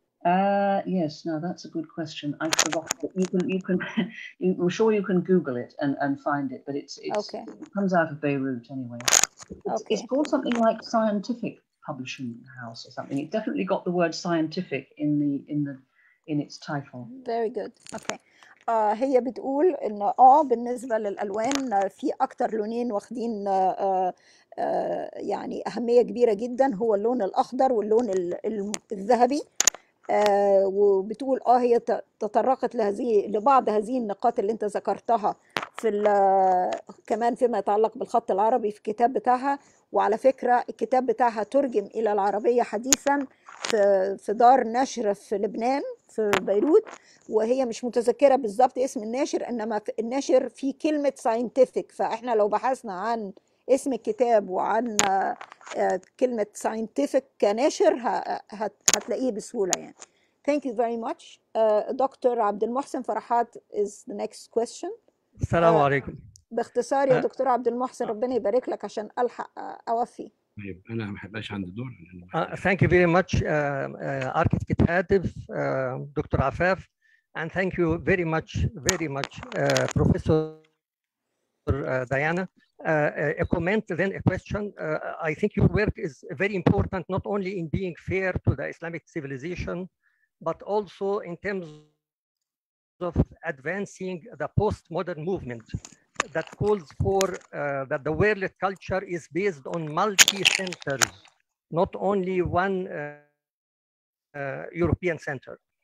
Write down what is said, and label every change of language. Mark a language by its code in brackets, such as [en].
[en] Yes, now that's a good question. I forgot. You can I'm sure you can Google it and find it, but it comes out of Beirut anyway. It's called something like Scientific Publishing House or something. It definitely got the word scientific in its title. Very good. Okay. [ar] هي بتقول ان بالنسبه للالوان في اكتر لونين واخدين يعني اهميه كبيره جدا، هو اللون الاخضر واللون الذهبي. وبتقول هي تطرقت لبعض هذه النقاط اللي انت ذكرتها في كمان فيما يتعلق بالخط العربي في الكتاب بتاعها. وعلى فكره الكتاب بتاعها ترجم الى العربيه حديثا في دار نشر في لبنان في بيروت، وهي مش متذكره بالظبط اسم الناشر، انما في الناشر في كلمه ساينتفك، فاحنا لو بحثنا عن اسم الكتاب وعن كلمه ساينتفك كناشر هتلاقيه بسهوله يعني. [en] Thank you very much. Doctor عبد المحسن فرحات is the next question. [ar] السلام عليكم. باختصار يا دكتور عبد المحسن، ربنا يبارك لك عشان الحق اوفي. [en] Thank you very much, architect Hadef, Dr. Afaf, and thank you very much, Professor Diana. A comment, then a question. I think your work is very important, not only in being fair to the Islamic civilization, but also in terms of advancing the postmodern movement that calls for that the world culture is based on multi-centers, not only one European center.